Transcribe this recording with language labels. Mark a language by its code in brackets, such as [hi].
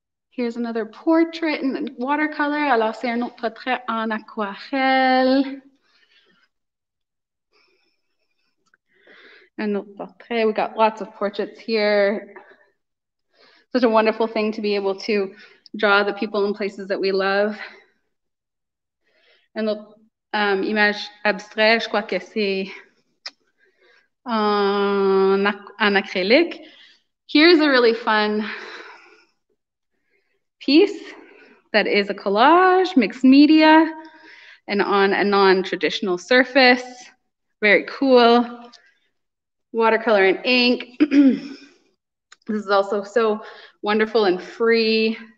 [en] Here's another portrait in watercolor. [fr] Alors, c'est un autre portrait en aquarelle. Un autre portrait. [en] We got lots of portraits here. Such a wonderful thing to be able to draw the people and places that we love. [fr] Un autre image abstrait, je crois que c'est en acrylique. [en] Here's a really fun piece that is a collage, mixed media, and on a non-traditional surface. Very cool. Watercolor and ink. This is also so wonderful and free.